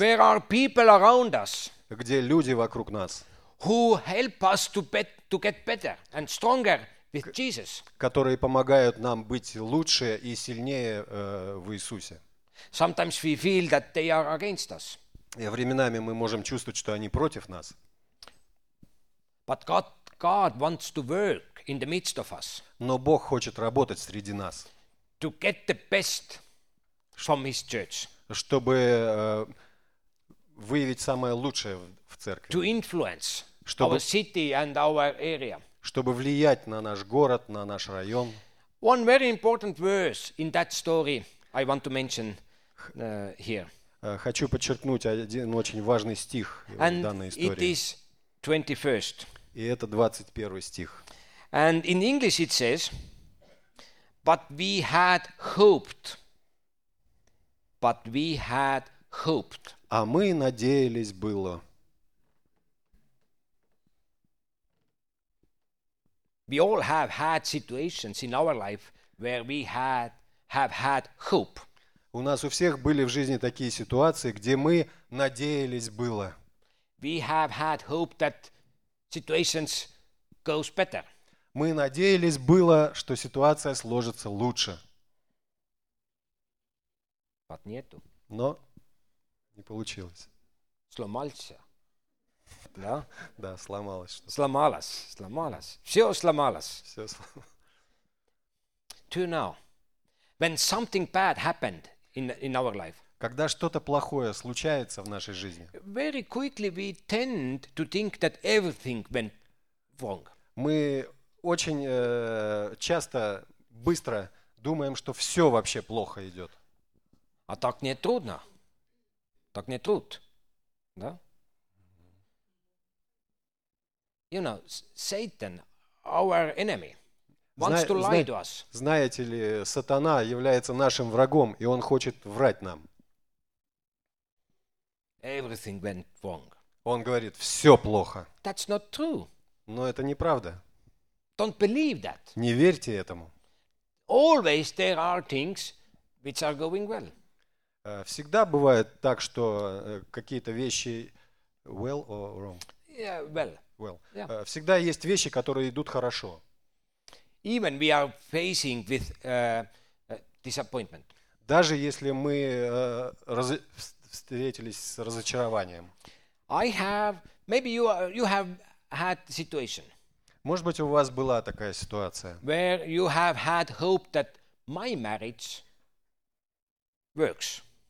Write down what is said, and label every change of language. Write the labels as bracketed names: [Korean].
[English] Where are people around us? [Russian] Где люди вокруг нас? [English] Who help us to get better and stronger with Jesus? [Russian] Которые помогают нам быть лучше и сильнее в Иисусе. [English] Sometimes we feel that they are against us. [Russian] И временами мы можем чувствовать, что они против нас. [English] But God wants to work in the midst of us. [Russian] Но Бог хочет работать среди нас. [English] To get the best from His church. [Russian] Чтобы выявить самое лучшее в церкви. [English] To influence our city and our area. [Russian] Чтобы влиять на наш город, на наш район. [English] One very important verse in that story I want to mention here. [Russian] Хочу подчеркнуть один очень важный стих в данной истории. [English] And it is 21st. [Russian] И это 21 стих. [English] And in English it says, but we had hoped. But we had hoped. [Russian] А мы надеялись было. [English] We all have had situations in our life where we have had hope. [Russian] У нас у всех были в жизни такие ситуации, где мы надеялись было. [English] We have had hope that situations goes better. [Russian] Мы надеялись было, что ситуация сложится лучше. [English] But [Russian] нету. Но не получилось. Сломался. Да? Да, сломалось что-то. Сломалось. Все сломалось. Все сломалось. [English] To now. When something bad happened in our life. [Russian] Когда что-то плохое случается в нашей жизни. [English] Very quickly we tend to think that everything went wrong. [Russian] Мы очень часто, быстро думаем, что все вообще плохо идет. А так не трудно. Так не труд. Да? [English] You know, Satan, our enemy, wants to lie to us. [Russian] Знаете ли, сатана является нашим врагом, и он хочет врать нам. [English] Everything went wrong. [Russian] Он говорит, все плохо. [English] That's not true. [Russian] Но это неправда. [English] Don't believe that. [Russian] Не верьте этому. [English] Always there are things which are going well. [Russian] Всегда бывает так, что какие-то вещи [English] well or wrong? Yeah, well. Well. Yeah. [Russian] Всегда есть вещи, которые идут хорошо. [English] Even we are facing with disappointment. [Russian] Даже если мы встретились с разочарованием. [English] I have, maybe you have had situation. [Russian] Может быть, у вас была такая ситуация. [English] Where you have had hope that my marriage works.